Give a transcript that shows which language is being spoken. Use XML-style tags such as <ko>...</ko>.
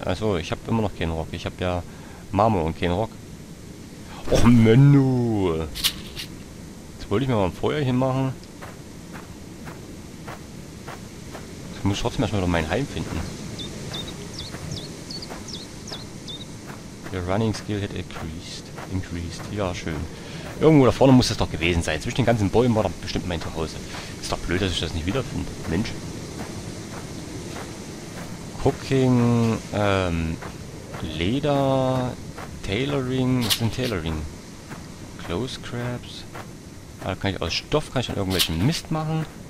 <de>Also, ich habe immer noch keinen Rock. Ich habe ja Marmor und keinen Rock. Och, Menno. Jetzt wollte ich mir mal ein Feuerchen machen. Jetzt muss ich trotzdem erstmal noch mein Heim finden.</de> <en>Your running skill had increased.</en> <de>Ja, schön. Irgendwo da vorne muss das doch gewesen sein. Zwischen den ganzen Bäumen war doch bestimmt mein Zuhause. Ist doch blöd, dass ich das nicht wiederfinde. Mensch. Cooking, Leder, Tailoring. Was ist denn Tailoring? Clothes Crafts. Da kann ich aus Stoff, kann ich dann irgendwelchen Mist machen.</de>